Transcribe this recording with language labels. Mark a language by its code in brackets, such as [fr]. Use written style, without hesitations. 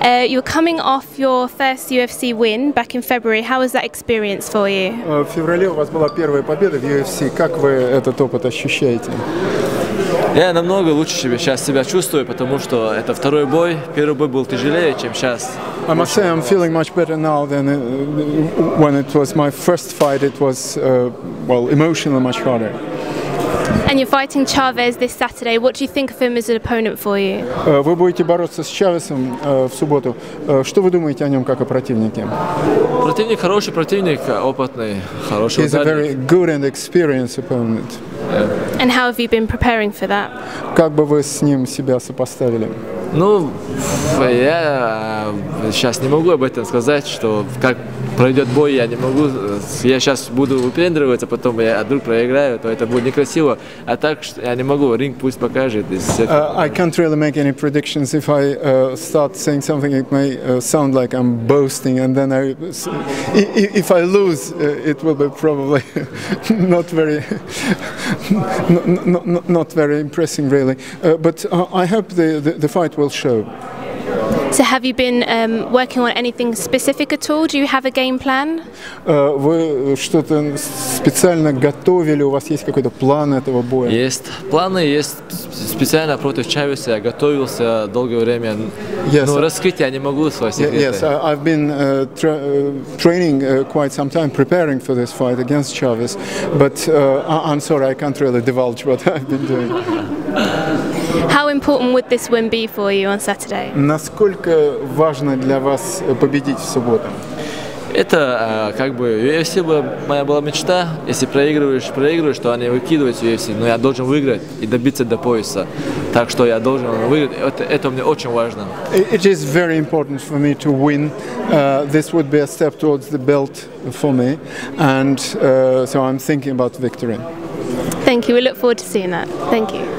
[en] You were coming off your first UFC win back in February. How was that experience for you? [ru] В феврале у вас была первая победа в UFC. Как вы этот опыт ощущаете? Я намного лучше себя сейчас чувствую, потому что это второй бой. Первый бой был тяжелее, чем сейчас. [en] I must say I'm feeling much better now than when it was my first fight. It was well, emotionally much harder. And you're fighting Chavez this Saturday. What do you think of him as an opponent for you? [ru] Вы будете бороться с Чавесом в субботу. Что вы думаете о нем как о противнике? Противник хороший, противник опытный, хороший. [en] He's a very good and experienced opponent. And how have you been preparing for that? [ru] Как бы вы с ним себя сопоставили? Ну, я сейчас не могу об этом сказать, что как пройдет бой, я не могу. Я сейчас буду выпендриваться, потом я вдруг проиграю, то это будет некрасиво. А так я не могу. Ринг пусть покажет. [en] I can't really make any predictions. If I start saying something, it may sound like I'm boasting, and then if I lose, it will be probably not very impressive, really. But I hope the fight will show. So have you been working on anything specific at all? Do you have a game plan? [ru] Вы что-то специально готовили? У вас есть какой-то план этого боя? Есть планы, есть специально против Чавеса. Я готовился долгое время. [en] Yes. [ru] Но раскрыть я не могу свои секреты. [en] Yes, I've been training quite some time, preparing for this fight against Chavez. But I'm sorry, I can't really divulge what I've been doing. How important would this win be for you on Saturday? [ru] Насколько важно для вас победить в субботу? Это как бы UFC моя была мечта. Если проигрываешь, то они выкидывают UFC. Но я должен выиграть и добиться до пояса. Так что я должен выиграть. Это мне очень важно. [en] It is very important for me to win. This would be a step towards the belt for me, and so I'm thinking about victory. Thank you. We look forward to seeing that. Thank you.